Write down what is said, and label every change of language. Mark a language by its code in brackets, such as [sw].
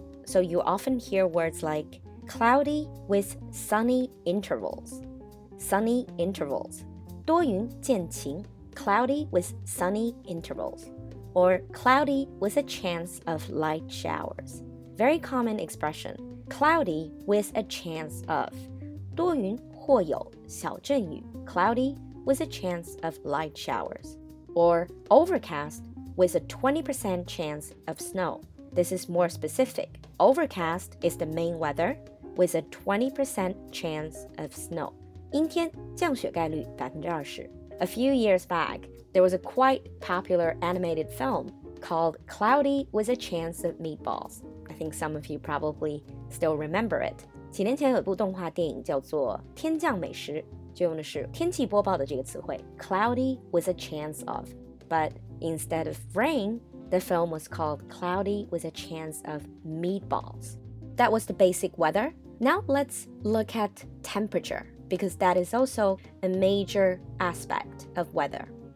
[en] So you often hear words like cloudy with sunny intervals. Sunny intervals. [zh] 多云渐晴 [en] Cloudy with sunny intervals. Or cloudy with a chance of light showers. Very common expression. Cloudy with a chance of. [zh] 多云或有小阵雨 [en] Cloudy. With a chance of light showers. Or overcast with a 20% chance of snow. This is more specific. Overcast is the main weather with a 20% chance of snow. [zh] 阴天降雪概率 20%. [en] A few years back, there was a quite popular animated film called Cloudy with a Chance of Meatballs. I think some of you probably still remember it. [zh] 几年前有一部动画电影叫做《天降美食》就用的是天气播报的这个词汇 [en] Cloudy with a chance of But instead of rain The film was called Cloudy with a chance of meatballs That was the basic weather Now let's look at temperature Because that is also a major aspect of weather